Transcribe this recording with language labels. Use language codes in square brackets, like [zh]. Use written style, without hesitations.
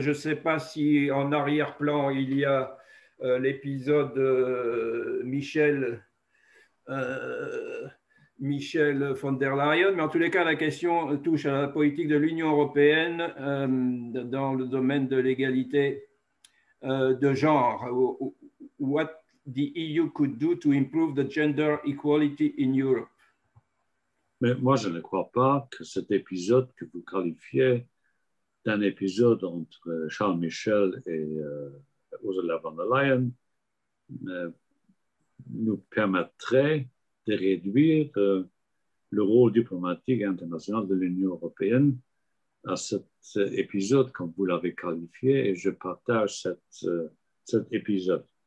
[fr] Je ne sais pas si en arrière-plan il y a l'épisode Michel von der Leyen, mais en tous les cas la question touche à la politique de l'Union européenne dans le domaine de l'égalité de genre. [en] What the EU could do to improve the gender equality in Europe. [fr] Mais moi, je ne crois pas que cet épisode que vous qualifiez d'un épisode entre Charles Michel et Ursula von der Leyen nous permettrait de réduire le rôle diplomatique international de l'Union européenne à cet épisode, comme vous l'avez qualifié, et je partage cet épisode.